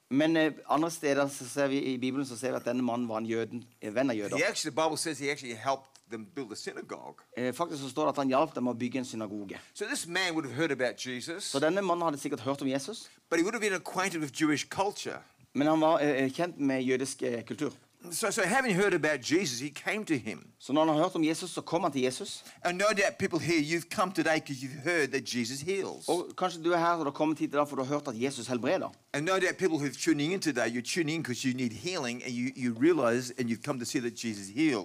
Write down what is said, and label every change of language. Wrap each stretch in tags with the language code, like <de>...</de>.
<no>Men andre steder så ser vi I Bibelen så ser vi at denne mannen var en jøden, en venn av jøder.</no> <en>Actually, the Bible says he actually helped them build a synagogue.</en> <no>Faktisk så står det at han hjalp dem å bygge en synagoge.</no> <en>So this man would have heard about Jesus.</en> <no>Så denne mannen hadde sikkert hørt om Jesus.</no> <en>But he would have been acquainted with Jewish culture.</en> <no>Men han var kjent med jødisk kultur.</no> <en>So having heard about Jesus, he came to him.</en> <no>Så når han har hørt om Jesus, så kom han til Jesus.</no> <en>And no doubt people here, you've come today because you've heard that Jesus heals.</en> <no>Og kanskje du her, så du har kommet hit I dag, for du har hørt at Jesus helbreder.</no> <en>And no doubt people who've tuning in today, you're tuning in because you need healing, and you realize, and you've come to see that Jesus heals.</en>